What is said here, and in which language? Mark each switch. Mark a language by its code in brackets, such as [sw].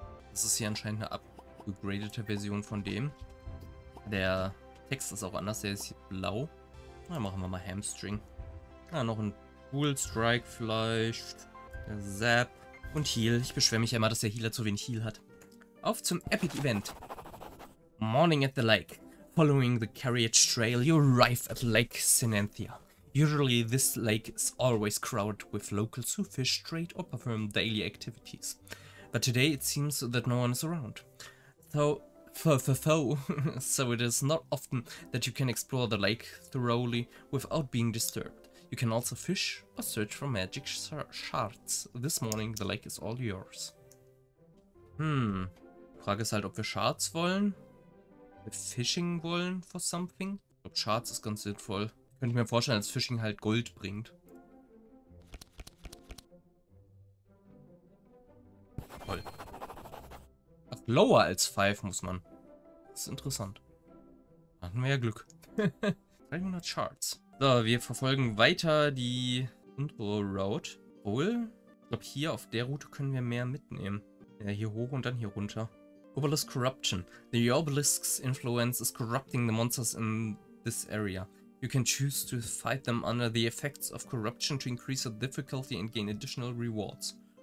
[de] Das ist hier anscheinend eine upgradete Version von dem. Der Text ist auch anders, der ist hier blau. Dann machen wir mal Hamstring. Ah, noch ein Cool Strike vielleicht. Der Zap. Und Heal. Ich beschwere mich immer, dass der Healer zu wenig Heal hat. Auf zum Epic Event. [en] Morning at the lake. Following the carriage trail, you arrive at Lake Synanthia. Usually this lake is always crowded with locals who fish, trade or perform daily activities. But today it seems that no one is around. So it is not often that you can explore the lake thoroughly without being disturbed. You can also fish or search for magic shards. This morning the lake is all yours. Hm. [de] Frage ist halt, ob wir Shards wollen. Fishing wollen for something. Ich glaube, Shards ist ganz sinnvoll. Könnte ich mir vorstellen, dass Fishing halt Gold bringt. Lower als 5 muss man. Das ist interessant. Hatten wir ja Glück. 300 Shards. So, wir verfolgen weiter die untere Route. Obwohl, ich glaube, hier auf der Route können wir mehr mitnehmen. Ja, hier hoch und dann hier runter. Obelisk Corruption. [en] The Obelisk's influence is corrupting the monsters in this area. You can choose to fight them under the effects of corruption to increase the difficulty and gain additional rewards.